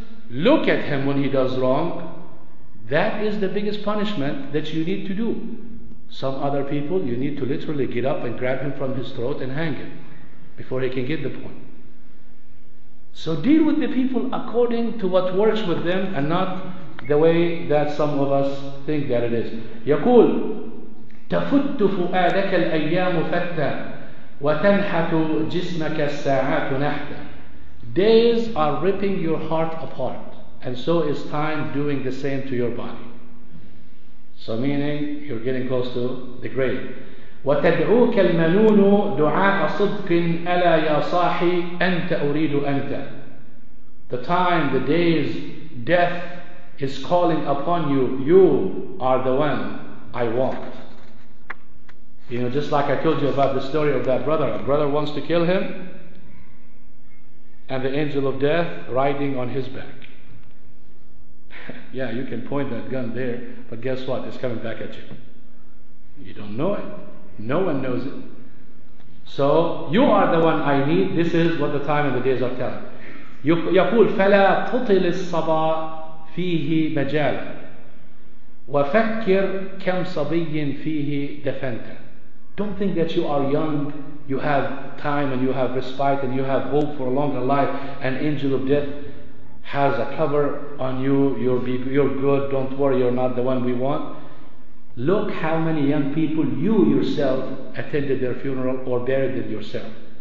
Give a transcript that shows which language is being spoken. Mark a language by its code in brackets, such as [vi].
[en] look at him when he does wrong, that is the biggest punishment that you need to do. Some other people, you need to literally get up and grab him from his throat and hang him before he can get the point. So deal with the people according to what works with them and not the way that some of us think that it is. [ar] يقول تفت فؤادك الأيام فتا وتنحت جسمك الساعات نحتا. [en] Days are ripping your heart apart, and so is time doing the same to your body. So meaning you're getting close to the grave. [ar] وتدعوك المنون دعاء صدق ألا يا صاحي أنت أريد أنت. [en] The time, the days, death is calling upon you. You are the one I want. You know, just like I told you about the story of that brother. A brother wants to kill him, and the angel of death riding on his back. Yeah, you can point that gun there, but guess what? It's coming back at you. You don't know it. No one knows it. So you are the one I need. This is what the time and the days are telling. [ar] يقول فلا تطل الصبا فيه مجالا وفكر كم صبي فيه دفنت. [en] Don't think that you are young, you have time and you have respite and you have hope for a longer life. An angel of death has a cover on you. You're good. Don't worry. You're not the one we want. Look how many young people you yourself attended their funeral or buried them yourself.